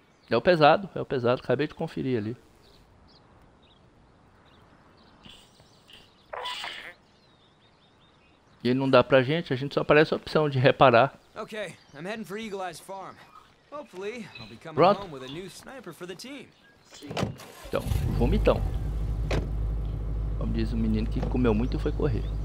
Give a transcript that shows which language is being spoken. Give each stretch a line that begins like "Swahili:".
Portuguese: É o pesado. É o pesado. Acabei de conferir ali. E ele não dá pra gente. A gente só aparece a opção de reparar. Ok. Estou indo para
English: Eagle Eyes Farm. Hopefully, I'll be coming home with a new sniper for the team.
Portuguese: Então, vomitão. Como diz o menino que comeu muito e foi correr.